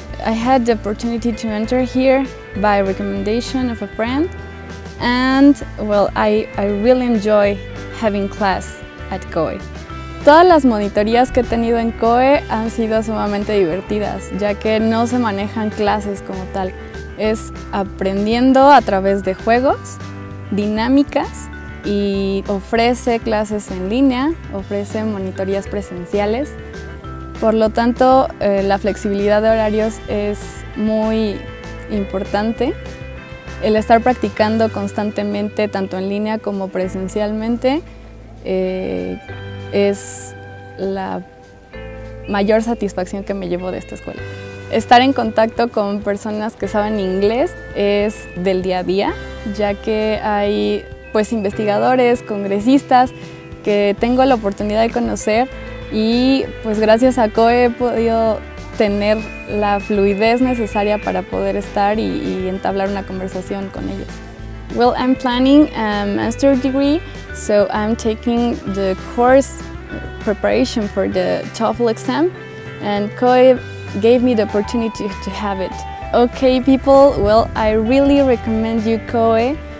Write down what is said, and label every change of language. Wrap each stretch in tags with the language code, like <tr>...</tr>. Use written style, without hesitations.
<en>I had the opportunity to enter here by recommendation of a friend, and well, I really enjoy having class at KOE.</en> <es>Todas las monitorías que he tenido en KOE han sido sumamente divertidas, ya que no se manejan clases como tal. Es aprendiendo a través de juegos, dinámicas, y ofrece clases en línea, ofrece monitorías presenciales. Por lo tanto, la flexibilidad de horarios es muy importante. El estar practicando constantemente, tanto en línea como presencialmente, es la mayor satisfacción que me llevo de esta escuela. Estar en contacto con personas que saben inglés es del día a día, ya que hay pues investigadores, congresistas que tengo la oportunidad de conocer, y pues gracias a KOE he podido tener la fluidez necesaria para poder estar y entablar una conversación con ellos.</es> <en>Well, I'm planning a master's degree, so I'm taking the course preparation for the TOEFL exam, and KOE gave me the opportunity to have it. Okay, people, well, I really recommend you KOE.</en>